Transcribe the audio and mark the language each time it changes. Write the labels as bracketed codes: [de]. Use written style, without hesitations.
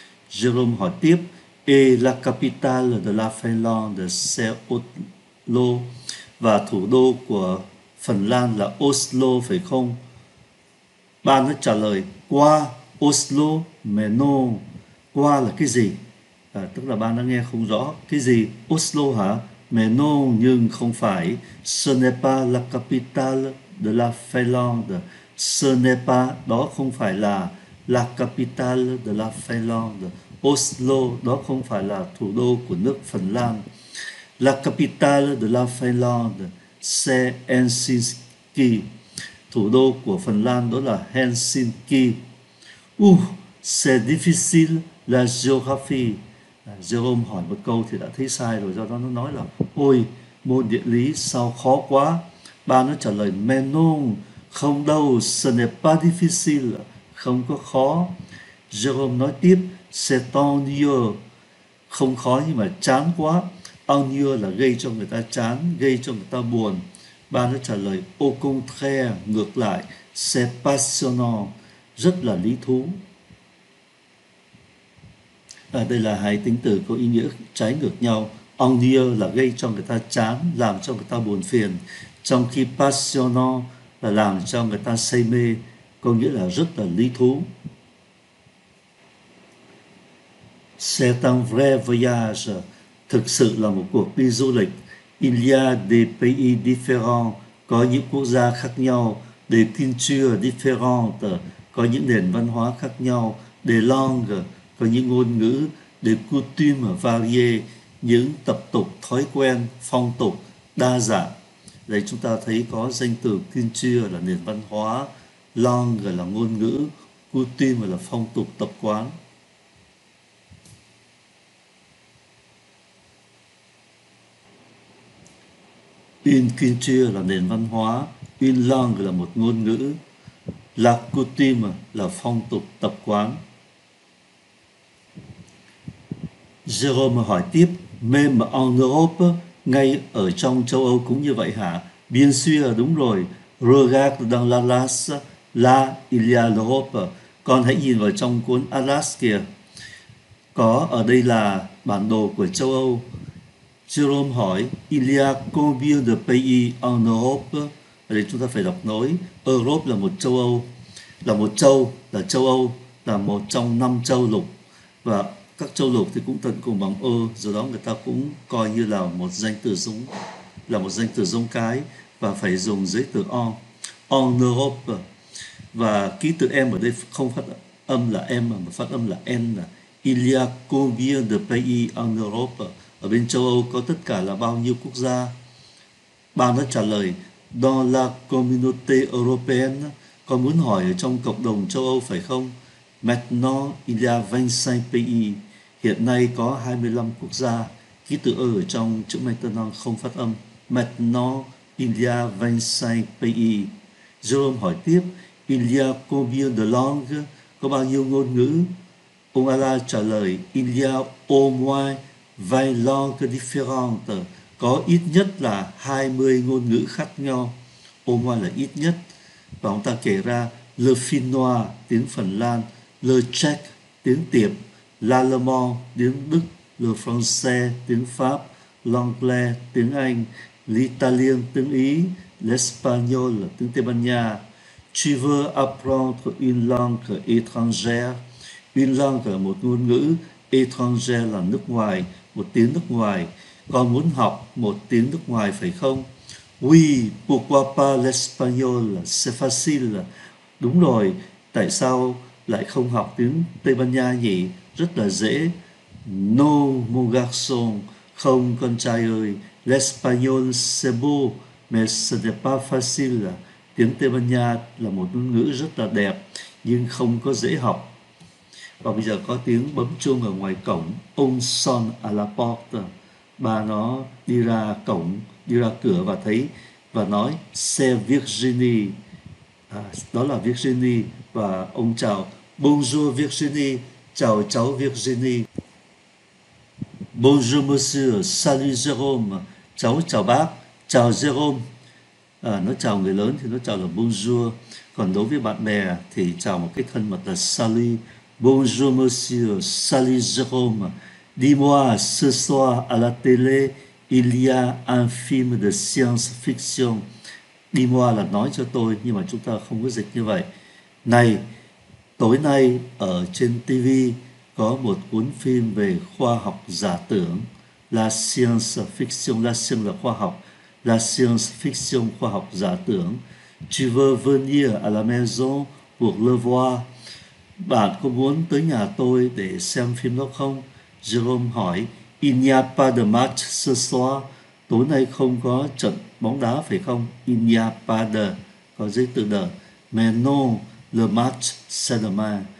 [vi] Jérôme hỏi tiếp, [fr] et la capitale de la Finlande, c'est Oslo, [vi] và thủ đô của Phần Lan là Oslo phải không? Ba nó trả lời, qua Oslo, [fr] mais non, [vi] qua là cái gì? À, tức là bạn đã nghe không rõ. Cái gì? Oslo hả? [fr] Mais non, [vi] nhưng không phải. [fr] Ce n'est pas la capitale de la Finlande. Ce n'est pas, [vi] đó không phải là [fr] la capitale de la Finlande. [vi] Oslo, đó không phải là thủ đô của nước Phần Lan. [fr] La capitale de la Finlande, c'est Helsinki. [vi] Thủ đô của Phần Lan đó là Helsinki. [fr] C'est difficile la géographie. [vi] Jérôme hỏi một câu thì đã thấy sai rồi, do đó nó nói là ôi, môn địa lý sao khó quá. Ba nó trả lời, [fr] mais non, [vi] không đâu, [fr] ce n'est pas difficile, [vi] không có khó. Jérôme nói tiếp, [fr] c'est ennuyeux, [vi] không khó nhưng mà chán quá. Ennuyeux là gây cho người ta chán, gây cho người ta buồn. Ba nó trả lời, [fr] au contraire, [vi] ngược lại, [fr] c'est passionnant, [vi] rất là lý thú. Đây là hai tính từ có ý nghĩa trái ngược nhau. Ennuyeux là gây cho người ta chán, làm cho người ta buồn phiền. Trong khi passionnant là làm cho người ta say mê, có nghĩa là rất là lý thú. [fr] C'est un vrai voyage. [vi] Thực sự là một cuộc đi du lịch. [fr] Il y a des pays différents. [vi] Có những quốc gia khác nhau. [fr] Des cultures différentes. [vi] Có những nền văn hóa khác nhau. [fr] Des langues. [vi] Có những ngôn ngữ, [fr] des coutumes variées, [vi] những tập tục, thói quen, phong tục, đa dạng. Đây chúng ta thấy có danh từ culture là nền văn hóa, langue là ngôn ngữ, coutumes là phong tục, tập quán. Une culture là nền văn hóa, une langue là một ngôn ngữ, la coutume là phong tục, tập quán. Jérôme hỏi tiếp, [fr] même en Europe, [vi] ngay ở trong châu Âu cũng như vậy hả? [fr] Bien sûr, [vi] đúng rồi. [fr] Regarde dans l'Atlas, là il y a l'Europe. [vi] Con hãy nhìn vào trong cuốn Atlas kìa. Có, ở đây là bản đồ của châu Âu. [fr] Jérôme hỏi, il y a combien de pays en Europe? [vi] Ở đây chúng ta phải đọc nối. Europe là một châu Âu, là một châu, là châu Âu, là một trong năm châu lục. Và các châu lục thì cũng tận cùng bằng ơ, do đó người ta cũng coi như là một danh từ giống, là một danh từ giống cái và phải dùng dưới từ o, [fr] en Europe. [vi] Và ký tự em ở đây không phát âm là em mà phát âm là n. [fr] Il y a combien de pays en Europe? [vi] Ở bên châu Âu có tất cả là bao nhiêu quốc gia? Ba nó trả lời, [fr] dans la communauté européenne. [vi] Con muốn hỏi ở trong cộng đồng châu Âu phải không? [fr] Maintenant, il y a 25 pays. [vi] Hiện nay có 25 quốc gia. Ký tự ở trong chữ maintenant không phát âm. [fr] Maintenant, il y a 25 pays. [vi] Jérôme hỏi tiếp, [fr] il y a combien de langues? [vi] Có bao nhiêu ngôn ngữ? Ông Alain trả lời, [fr] il y a au moins 20 langues différentes. [vi] Có ít nhất là 20 ngôn ngữ khác nhau. [fr] Au moins [vi] là ít nhất. Và ông ta kể ra, le finnois, tiếng Phần Lan, le tchèque, tiếng Tiệp, l'allemand, tiếng Đức, le français, tiếng Pháp, l'anglais, tiếng Anh, l'italien, tiếng Ý, l'espagnol, tiếng Tây Ban Nha. [fr] Tu veux apprendre une langue étrangère? [vi] Une langue là một ngôn ngữ, étrangère là nước ngoài, một tiếng nước ngoài. Con muốn học một tiếng nước ngoài phải không? [fr] Oui, pourquoi pas l'espagnol? C'est facile. [vi] Đúng rồi, tại sao lại không học tiếng Tây Ban Nha nhỉ? Rất là dễ. [fr] No, mon garçon, [vi] không con trai ơi, [fr] l'espagnol c'est beau, mais ce n'est pas facile. [vi] Tiếng Tây Ban Nha là một ngôn ngữ rất là đẹp, nhưng không có dễ học. Và bây giờ có tiếng bấm chuông ở ngoài cổng, [fr] un son à la porte. [vi] Bà nó đi ra cổng, đi ra cửa và thấy, và nói, [fr] c'est Virginie. [vi] À, đó là Virginie, và ông chào, [fr] bonjour Virginie, [vi] chào cháu Virginie. [fr] Bonjour monsieur, salut Jérôme, [vi] cháu chào bác, chào Jérôme. À, nó chào người lớn thì nó chào là bonjour, còn đối với bạn bè thì chào một cái thân mật là salut. [fr] Bonjour monsieur, salut Jérôme, dis-moi ce soir à la télé, il y a un film de science-fiction. Dis-moi [vi] là nói cho tôi, nhưng mà chúng ta không có dịch như vậy. Này, tối nay ở trên TV có một cuốn phim về khoa học giả tưởng, la science fiction, la science là khoa học, la science fiction, khoa học giả tưởng. [fr] Tu veux venir à la maison pour le voir? [vi] Bạn có muốn tới nhà tôi để xem phim đó không? Jérôme hỏi, [fr] il n'y a pas de match ce soir, [vi] tối nay không có trận bóng đá phải không? [fr] Il n'y a pas de, [vi] có giấy từ [fr] de, mais non, le match c'est demain.